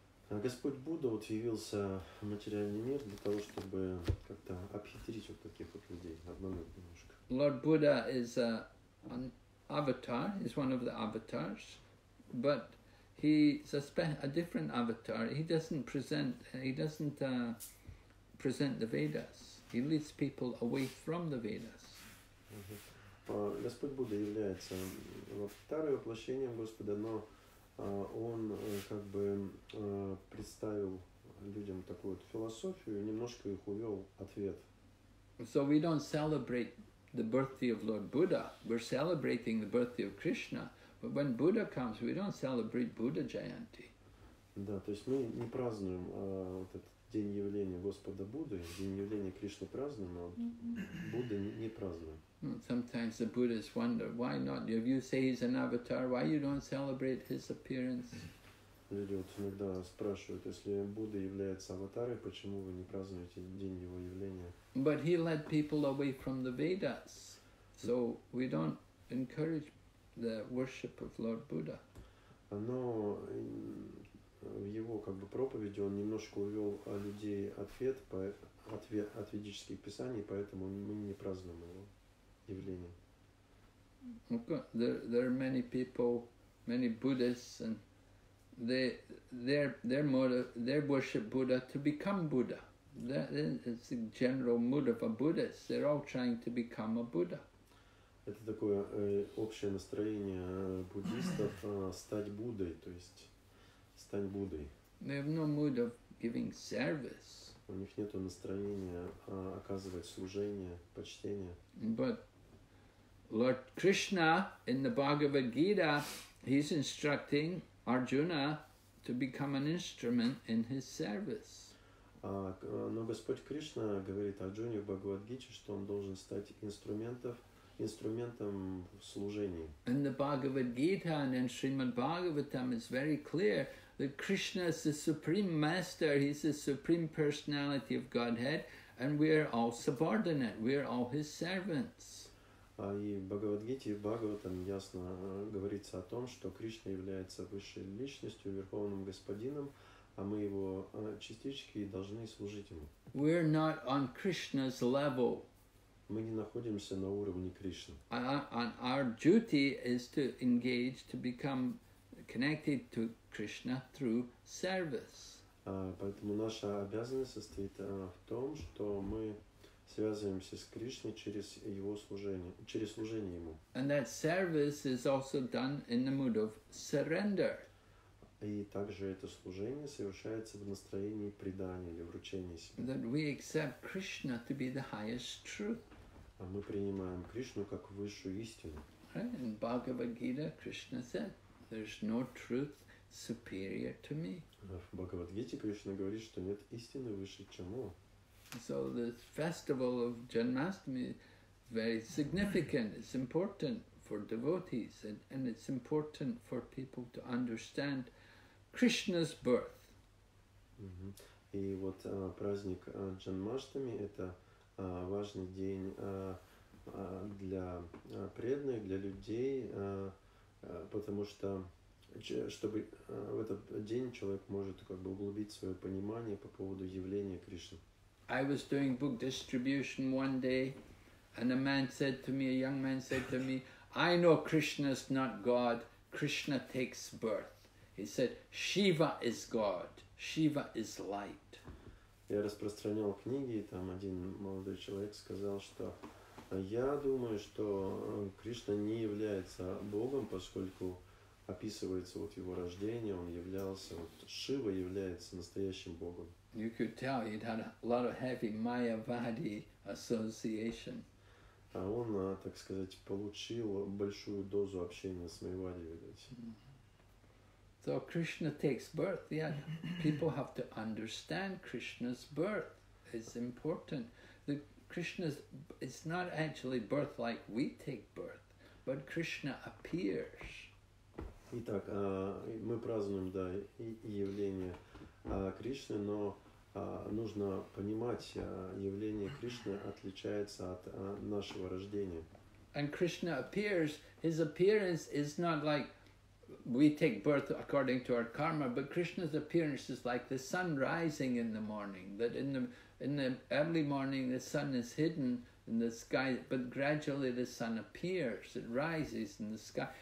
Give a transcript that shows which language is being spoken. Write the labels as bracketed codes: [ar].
[ru] Господь Будда вот явился в материальный мир для того, чтобы как-то обхитрить вот таких вот людей. Обмануть немножко. [en] Lord Buddha is an avatar, is one of the avatars, but he's a different avatar. He doesn't present the Vedas. He leads people away from the Vedas. [ru] Господь Будда является вторым воплощением Господа, но он как бы представил людям такую вот философию и немножко их увел ответ. [en] So we don't celebrate the birthday of Lord Buddha. We're celebrating the birthday of Krishna. But when Buddha comes, we don't celebrate Buddha Jayanti. [ru] Да, то есть мы не празднуем вот этот день явления Господа Будды, день явления Кришны празднуем, а вот Будды не празднуем. [en] Sometimes the Buddhists wonder, why not? If you say he's an avatar, why you don't celebrate his appearance? [ru] Люди вот иногда спрашивают, если Будда является аватарой, почему вы не празднуете день его явления? [en] But he led people away from the Vedas, so we don't encourage the worship of Lord Buddha. [ru] Но в его как бы проповеди он немножко увел людей от ведических писаний, поэтому мы не празднуем его явление. [en] There are many people, many Buddhists, and their motive, their worship Buddha to become Buddha. That is the general motive of Buddhists. They're all trying to become a Buddha. [ru] Это такое общее настроение буддистов стать Буддой, то есть стань Буддой. [en] They have no mood of giving service. [ru] У них нету настроения оказывать служение, почтение. [en] But Lord Krishna in the Bhagavad Gita, he's instructing Arjuna to become an instrument in his service. [ru] Но Господь Кришна говорит Арджуне в Бхагавад-гите, что он должен стать инструментом в служении. [en] In the Bhagavad Gita and in Srimad Bhagavatam it's very clear that Krishna is the supreme master, he's the supreme personality of Godhead, and we are all subordinate, we are all his servants. [ru] И в Бхагавад-гите и в Бхагаватам ясно говорится о том, что Кришна является высшей личностью, верховным господином, а мы его частички и должны служить ему. [en] We're not on Krishna's level. [ru] Мы не находимся на уровне Кришны. [en] Our duty is to engage, to become connected to Krishna through service. [ru] Поэтому наша обязанность состоит в том, что мы связываемся с Кришной через его служение, через служение ему. [en] And that service is also done in the mood of surrender. [ru] И также это служение совершается в настроении предания или вручения себя. [en] That we accept Krishna to be the highest truth. [ru] А мы принимаем Кришну как высшую истину. [en] Right? In Bhagavad Gita, Krishna said, "There's no truth superior to me." [ru] В Бхагавад-гите Кришна говорит, что нет истины выше, чем он. [en] So the festival of Janmashtami is very significant. It's important for devotees, and it's important for people to understand Krishna's birth. Mm-hmm. [ru] И вот праздник Джанмаштами это важный день для преданных, для людей, потому что чтобы в этот день человек может как бы углубить свое понимание по поводу явления Кришны. [en] I was doing book distribution one day, and a young man said to me, I know Krishna's not God, Krishna takes birth. He said, Shiva is God, Shiva is light. [ru] Я распространял книги, и там один молодой человек сказал, что я думаю, что Кришна не является Богом, поскольку описывается вот его рождение, он являлся, вот Шива является настоящим Богом. [en] You could tell he'd had a lot of heavy Mayavadi association. [ru] А он, так сказать, получил большую дозу общения с Майявади, видите. [en] So Krishna takes birth. Yeah, people have to understand Krishna's birth. It's important. The Krishna's, it's not actually birth like we take birth, but Krishna appears. [ru] Итак, мы празднуем, да, явление Кришны, но нужно понимать, явление Кришны отличается от нашего рождения. [en] And Krishna appears, his appearance is not like we take birth according to our karma, but Krishna's appearance is like the sun rising in the morning, that in the early morning the sun is hidden in the sky, but gradually the sun appears, it rises in the sky.